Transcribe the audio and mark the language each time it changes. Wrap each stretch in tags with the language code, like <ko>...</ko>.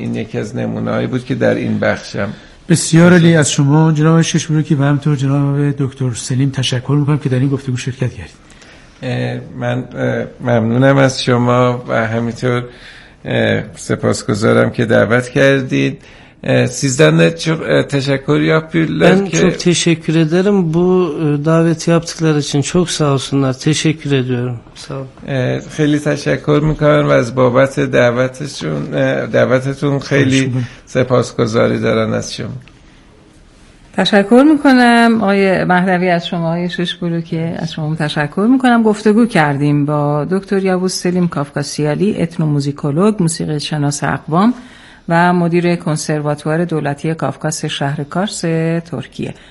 <fa>این یکی از نمونه هایی بود که در این بخش هم. بسیار عالی، از شما جناب ششمروکی و همینطور جناب دکتر سلیم تشکر میکنم که در این گفتگو شرکت کردید. من ممنونم از شما و همینطور سپاسگزارم که دعوت کردید.</fa> <tr>Sizden de çok teşekkür yapıyorum. Ben çok teşekkür ederim bu daveti yaptıkları için. Çok sağ olsunlar. Teşekkür ediyorum. Sağ olun.</tr> <fa>خیلی تشکر میکنم و از بابت دعوتشون دعوتتون خیلی سپاسگزاری دارم از شما. تشکر میکنم آقای مهدوی از شما، آقای ششبولو که از شما تشکر میکنم. گفتگو کردیم با دکتر یاوز سلیم کافکاسیالی، اتنوموزیکولوژ، موسیقی شناس اقوام و مدیر کنسرواتوار دولتی کافکاس شهر کارس ترکیه.</fa>